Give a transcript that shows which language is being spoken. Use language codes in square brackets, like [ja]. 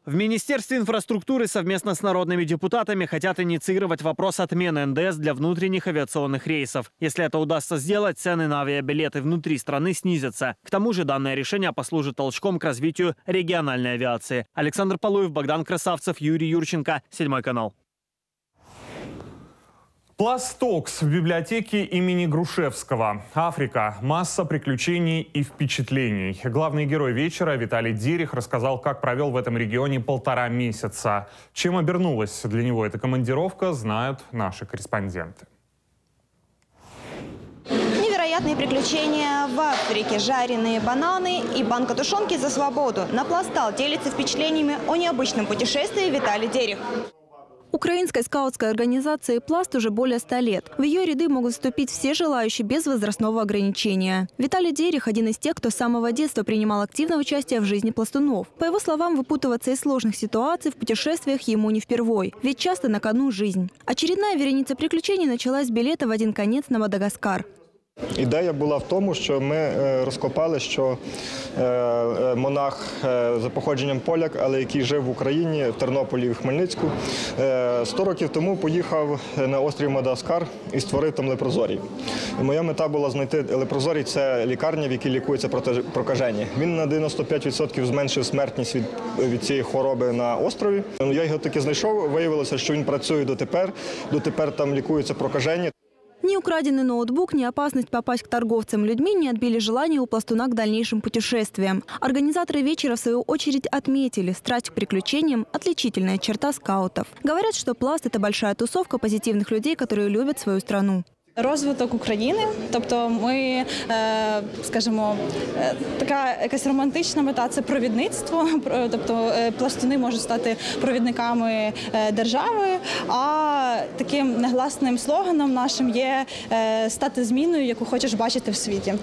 [uk] В Міністерстві інфраструктури [ru] совместно [uk] з народними депутатами хотят ініціювати вопрос отміни НДС для внутрішніх авіаційних рейсів. Якщо це удасться зробити, ціни на авіабілети внутрі країни знизяться. [ru] К тому же, [uk] дане рішення послужить [ru] толчком к [uk] розвитку регіональної авіації. Олександр Палуєв, Богдан Красавцев, Юрій Юрченко, 7 канал. [ru] «Пластокс» в библиотеке имени Грушевского. Африка. Масса приключений и впечатлений. Главный герой вечера Виталий Дерих рассказал, как провел в этом регионе 1,5 месяца. Чем обернулась для него эта командировка, знают наши корреспонденты. Невероятные приключения в Африке. Жареные бананы и банка тушенки за свободу. На «Пластал» делится впечатлениями о необычном путешествии Виталий Дерих. Украинской скаутской организации «Пласт» уже более 100 лет. В ее ряды могут вступить все желающие без возрастного ограничения. Виталий Дерих – один из тех, кто с самого детства принимал активное участие в жизни пластунов. По его словам, выпутываться из сложных ситуаций в путешествиях ему не впервой, ведь часто на кону жизнь. Очередная вереница приключений началась с билета в один конец на Мадагаскар. [uk] Ідея була в тому, що ми розкопали, що монах за походженням поляк, але який жив в Україні, в Тернополі, в Хмельницьку, 100 років тому поїхав на острів Мадагаскар і створив там лепрозорій. І моя мета була знайти лепрозорій – це лікарня, в якій лікується прокажені. Він на 95% зменшив смертність від цієї хвороби на острові. Я його таки знайшов, виявилося, що він працює дотепер, там лікуються прокажені. [ru] Ни украденный ноутбук, ни опасность попасть к торговцам людьми не отбили желание у пластуна к дальнейшим путешествиям. Организаторы вечера, в свою очередь, отметили, страсть к приключениям – отличительная черта скаутов. Говорят, что «Пласт» – это большая тусовка позитивных людей, которые любят свою страну. [uk] Розвиток України, тобто ми, скажімо, така якась романтична мета – це провідництво, тобто пластуни можуть стати провідниками держави, а таким негласним слоганом нашим є стати зміною, яку хочеш бачити в світі.